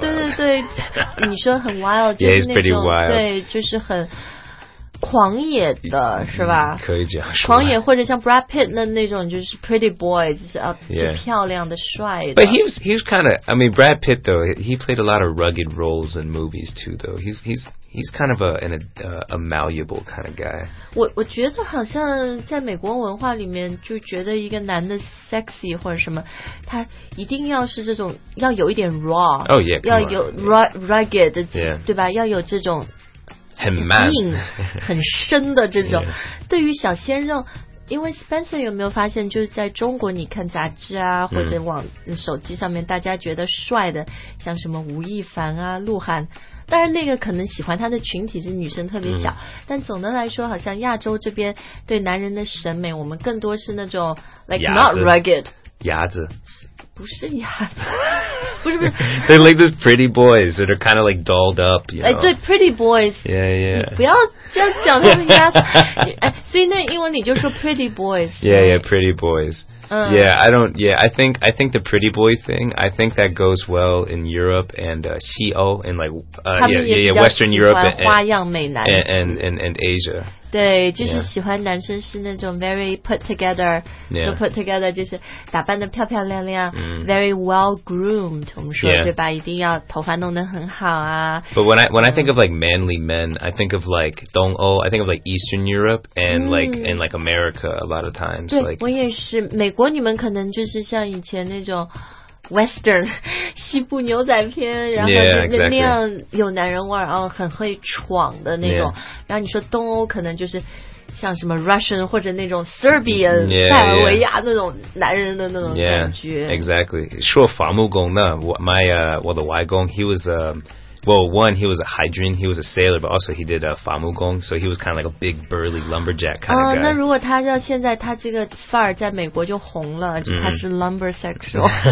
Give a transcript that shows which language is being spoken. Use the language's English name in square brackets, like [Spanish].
[Chinese] 对对对，你说很 wild， 就是那种 [English] yeah, [Chinese] 对，就是很狂野的，是吧？可以这样说，狂野或者像 Brad Pitt 那种就是 pretty boy， 就是漂亮的帅的。 [English] But he was kind of， I mean Brad Pitt though he played a lot of rugged roles in movies too though he's kind of a malleable kind of guy。 [Chinese] 我觉得好像在美国文化里面，就觉得一个男的 sexy 或者什么，他一定要是这种要有一点 raw，哦、 [English] oh, yeah， [Chinese] 要有 rugged， [English] yeah， [Chinese] 对吧？要有这种很 man 很深的这种。 [English] yeah。 [Chinese] 对于小鲜肉，因为 Spencer 有没有发现，就是在中国，你看杂志啊，或者往手机上面，大家觉得帅的，像什么吴亦凡啊、鹿晗，当然那个可能喜欢他的群体是女生特别小，但总的来说，好像亚洲这边对男人的审美，我们更多是那种 [English] like not rugged， [Chinese] 牙子。不是呀，不是不是。 [English] They like those pretty boys that are kind of like dolled up, you know. [Chinese] 哎，对 ，pretty boys. [English] Yeah, yeah. [Chinese] 不要这样讲他们家。哎，所以那英文里就说 pretty boys. [English] Yeah, yeah, pretty boys. Yeah, I don't. Yeah, I think the pretty boy thing. I think that goes well in Europe and Seoul and like Western Europe and [Chinese] 花样美男 [English] and Asia. [Chinese] 对，就是喜欢男生是那种 [English] very put together. Yeah. [Chinese] So put together 就是打扮的漂漂亮亮、 [English] very well groomed. [Chinese] 我们说、 [English] yeah. [Chinese] 对吧？一定要头发弄得很好啊。 [English] But when I think of like manly men, I think of like 东欧 I think of like Eastern Europe and like in like America a lot of times. [Chinese] 对， [English] like, [Chinese] 我也是美国你们可能就是像以前那种 Western 西部牛仔片然后 [English] yeah,、exactly. [Chinese] 那样有男人味然后很会闯的那种、 [English] yeah. [Chinese] 然后你说东欧可能就是像什么 Russian 或者那种 Serbian 塞、 [English] yeah, [Chinese] 尔、 [English] yeah. [Chinese] 维亚那种男人的那种感觉、 [English] yeah, exactly [Chinese] 说伐木工呢 我的外公 [English] he was a、well, one, he was a hydrant, he was a sailor, but also he did a 伐木工, so he was kind of like a big, burly lumberjack kind of guy. [Chinese] 那如果他要现在他这个范儿在美国就红了，就他是 lumbersexual.